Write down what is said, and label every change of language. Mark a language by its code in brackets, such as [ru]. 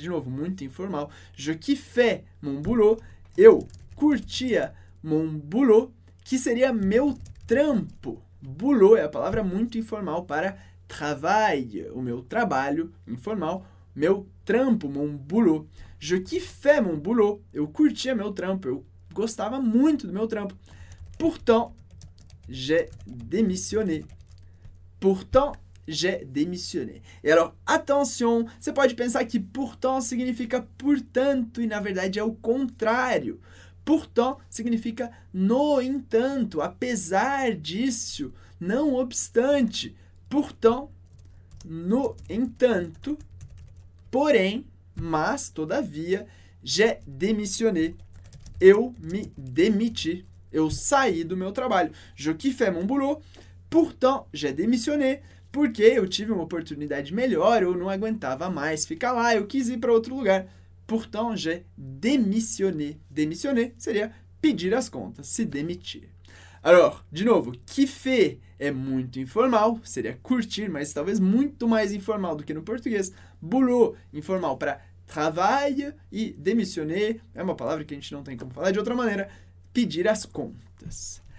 [pt] De novo, muito informal. [fr] Je kiffais mon boulot. [pt] Eu curtia [fr] mon boulot, [pt] que seria meu trampo. Boulot é a palavra muito informal para trabalho. O meu trabalho informal. Meu trampo, [fr] mon boulot. Je kiffais mon boulot. [pt] Eu curtia meu trampo. Eu gostava muito do meu trampo. [fr] Pourtant, j'ai démissionné. Pourtant, j'ai démissionné. [pt] E [fr] alors, attention, [pt] você pode pensar que pourtant significa portanto e na verdade é o contrário. Pourtant significa no entanto, apesar disso, não obstante. Pourtant, no entanto, porém, mas, todavia, [fr] j'ai démissionné. [pt] Eu me demiti. Eu saí do meu trabalho. [fr] Je kiffais mon boulot. Pourtant, j'ai démissionné. [pt] Porque eu tive uma oportunidade melhor. Eu não aguentava mais ficar lá. Eu quis ir para outro lugar. [fr] Pourtant, j'ai démissionné. [pt] Démissionner seria pedir as contas, se demitir. [fr] Alors, [pt] de novo, kiffer é muito informal, seria curtir, mas talvez muito mais informal do que no português. Boulot, informal para trabalho, e démissionner é uma palavra que a gente não tem como falar de outra maneira, pedir as contas.